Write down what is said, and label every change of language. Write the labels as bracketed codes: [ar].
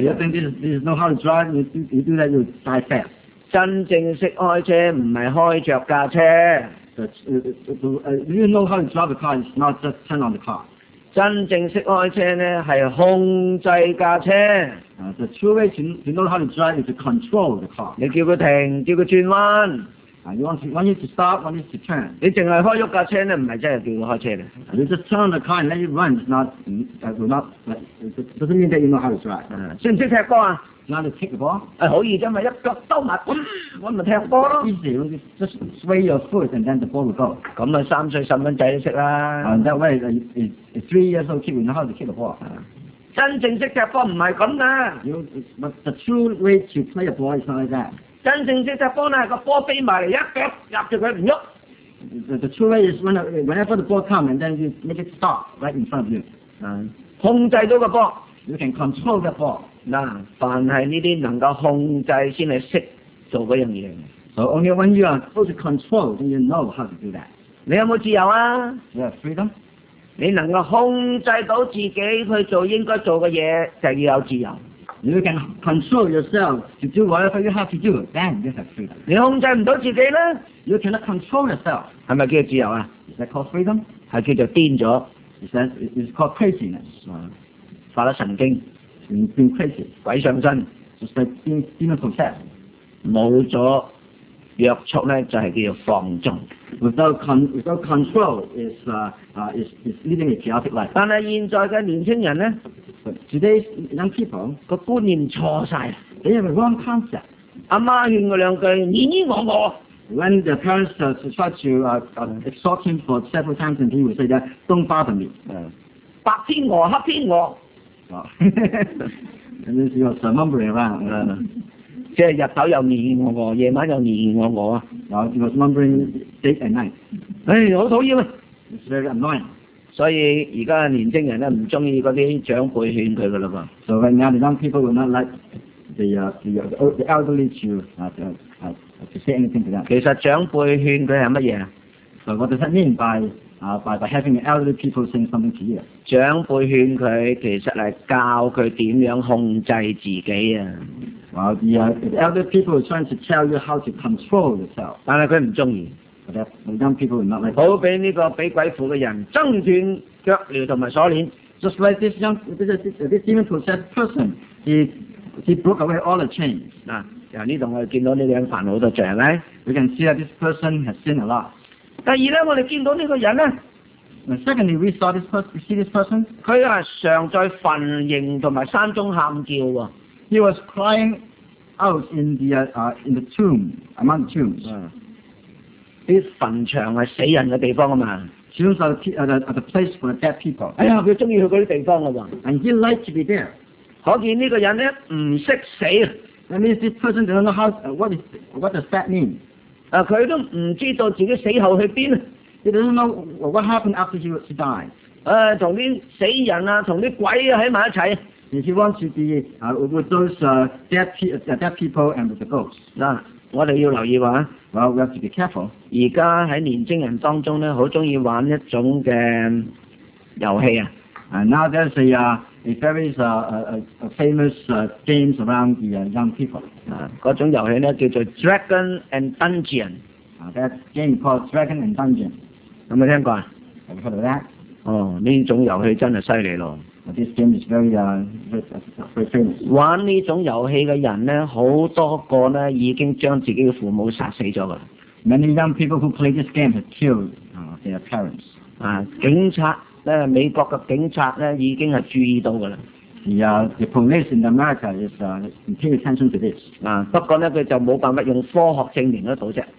[en] You think this is know how to drive? You do that, you die fast。 [yue] 真正識開車唔係開著架車。 [en] You know how to drive the car? It's not just turn on the car。 [yue] 真正識開車咧，係控制架車。 [en] The true way to know how to drive is to control the car. [yue] 你叫佢停，叫佢轉彎。 [en] You want it to stop, want it to turn. [yue] 你淨係開喐架車咧，唔係真係叫佢開車嘅。 [en] You just turn the car and let it run. It doesn't mean that you know how to drive. [yue] 識唔識踢波啊？ [en] Not to kick the ball. [yue] 好易啫嘛，一腳兜埋，咁我咪踢波咯。 [en] Easy, you just sway your foot and then the ball will go. [yue] 咁咪三歲細蚊仔都識啦。 [en] And that way, it's 3 years old kid, you know how to kick the ball. [yue] 真正識踢波唔係咁嘅。 [en] But the true way to play a ball is not like that. [yue] 真正識踢波咧，個波飛埋嚟一腳入住佢唔喐。 [en] The true way is whenever the ball comes and then you make it stop right in front of you. [yue] 控制到個波。 [en] You can control the ball. [yue] 嗱，凡係呢啲能夠控制先係識做嗰樣嘢。 [en] So only when you are able to control, then you know how to do that. [yue] 你有冇自由啊 [en] ？Yeah, freedom. [yue] 你能夠控制到自己去做應該做嘅嘢，就要有自由。 [en] You can control yourself to do whatever you have to do, then you have freedom. [yue] 你控制唔到自己咧 [en] ？You cannot control yourself. [yue] 係咪叫自由啊 [en] ？Is that called freedom? [yue] 係叫做癲咗。 [en] It's called craziness. [yue] 發咗神經 [en] ，been crazy， [yue] 鬼上身 [en] ，just like being possessed。 [yue] 冇咗約束咧，就係叫做放縱。 [en] Without control is leading a chaotic life. [yue] 但係現在嘅年輕人咧 [en] ，today's young people [yue] 個觀念錯曬 [en] ，they have a wrong concept. [yue] 阿媽勸佢兩句，你依我我。 [en] When the parents try to exhort him for several times, and he would say that, "Don't bother me." [yue] 白天鵝，黑天鵝。 [en] And this is mumbling around. [yue] 即係日頭又黏黏我我，夜晚又黏黏我我啊！然後 [en] was mumbling day and night。 [yue] 唉，好討厭啊 [en] ！It's very annoying。 [yue] 所以而家年輕人咧唔中意嗰啲長輩勸佢嘅嘞噃。 [en] So right now the young people will not like the elderly to say anything to them。 [yue] 其實長輩勸佢係乜嘢啊 [en] ？So what does that mean by having elderly people saying something to you？ [yue] 長輩勸佢其實係教佢點樣控制自己啊！ [en] Well, the elder people are trying to tell you how to control yourself. [yue] 但係佢唔中意。 [en] But the young people are not like. [yue] 好俾呢個俾鬼附嘅人掙斷腳鏈同埋鎖鏈。 [en] Just like this young, this demon possessed person, he broke away all the chains. [yue] 嗱，由呢度我哋見到呢個人犯好多罪係咪 [en] ？We can see that this person has sinned a lot. [yue] 第二咧，我哋見到呢個人咧。 [en] And secondly, we saw this person. You see this person? [yue] 佢係常在墳營同埋山中喊叫喎。 [en] He was crying out in the tomb, among the tombs. [yue] 啲墳場係死人嘅地方啊嘛。 [en] Tombs are the place for dead people. [yue] 哎呀，佢中意去嗰啲地方啊嘛。 [en] And he liked to be there. [yue] 可見呢個人咧唔識死。 [en] That means this person doesn't know what does that mean? [yue] 佢都唔知道自己死後去邊。 [en] He doesn't know what happened after he died. [yue] 同啲死人啊，同啲鬼啊喺埋一齊。 [en] If he wants to be with those dead people and with the ghosts. [yue] 嗱，我哋要留意話。 [en] Well, we have to be careful. [yue] 而家喺年青人當中咧，好中意玩一種嘅遊戲啊。 [en] Now there's a very famous games around the young people. [yue] 嗰種遊戲咧叫做 Dragon and Dungeon. [en] That game called Dragon and Dungeon. [yue] 有冇聽過啊 [en] ？Have you heard of that? [yue] 哦，呢種遊戲真係犀利咯。 [en] This game is very famous. [yue] 玩呢種遊戲嘅人咧，好多個咧已經將自己嘅父母殺死咗噶。 [en] Many young people who play this game have killed their parents. [yue] 警察咧，美國嘅警察咧已經係注意到噶啦。 [en] The police in America is paying attention to this. [yue] 不過咧，佢就冇辦法用科學證明得到啫。